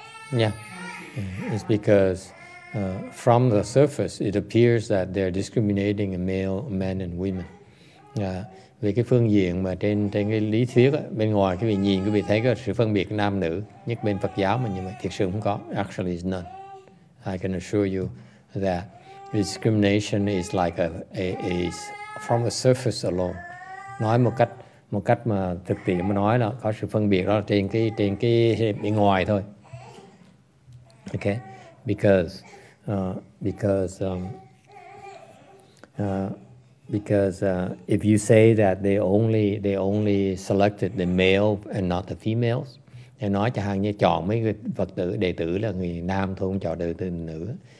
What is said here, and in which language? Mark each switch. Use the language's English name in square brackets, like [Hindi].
[English] Yeah, it's because from the surface it appears that they're discriminating male men and women. [Vietnamese] Về cái phương diện mà trên cái lý thuyết á, bên ngoài cái vị nhìn cái vị thấy có sự phân biệt nam nữ nhất bên Phật giáo mà, nhưng mà thực sự không có. [English] Actually, it's none. I can assure you that discrimination is like a from the surface alone. [Vietnamese] Nói một cách mà thực tiễn mà nói là có sự phân biệt đó trên cái bên ngoài thôi. [English] Okay, because if you say that they only selected the male and not the females, they [Vietnamese] nói cho hàng như chọn mấy người Phật tử đệ tử là người nam thôi, không chọn đệ tử nữ.